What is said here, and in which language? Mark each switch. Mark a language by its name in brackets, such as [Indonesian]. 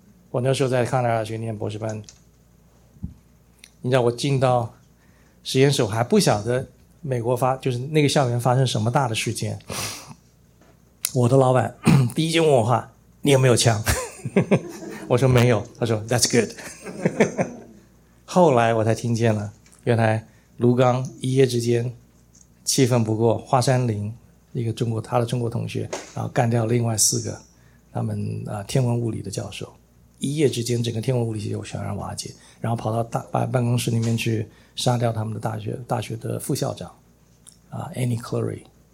[Chinese] 我那时候在康奈尔大学念博士班，你知道我进到实验室，我还不晓得美国就是那个校园发生什么大的事件。我的老板第一句问我话：“你有没有枪？” 我说：“没有。” 他说 ： [English] “That's good。” [Chinese] 后来我才听见了，原来卢刚一夜之间气愤不过，华山林一个中国他的中国同学，然后干掉另外四个他们天文物理的教授，一夜之间整个天文物理系就悄然瓦解，然后跑到办公室里面去杀掉他们的大学的副校长啊 Annie Cleary。